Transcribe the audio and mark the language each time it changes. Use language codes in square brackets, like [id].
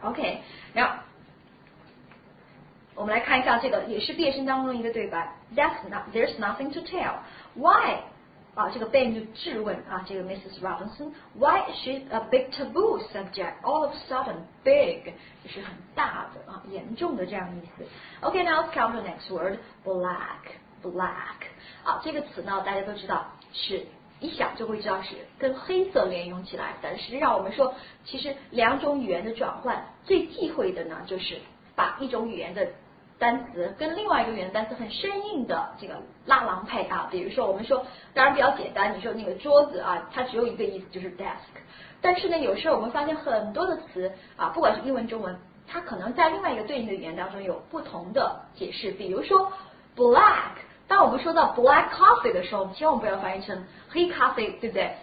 [zh] OK, now 我们来看一下这个也是毕业生当中一个对白 [en] There's nothing to tell. Why? [zh] 啊，这个 Ben 就质问啊， [en] 这个 Mrs. Robinson, why is she a big taboo subject all of a sudden? [zh] Big 就是很大的啊，严重的这样的意思。 [en] OK, now let's come to the next word, black. [zh] Black 啊，这个词呢，大家都知道，是一想就会知道是跟黑色连用起来。但实际上我们说，其实两种语言的转换最忌讳的呢，就是把一种语言的单词跟另外一个语言单词很生硬的这个拉郎配啊，比如说我们说，当然比较简单，你说那个桌子啊，它只有一个意思就是 desk， 但是呢，有时候我们发现很多的词啊，不管是英文中文，它可能在另外一个对应的语言当中有不同的解释，比如说 black， 当我们说到 black coffee 的时候，千万不要翻译成黑咖啡，对不对？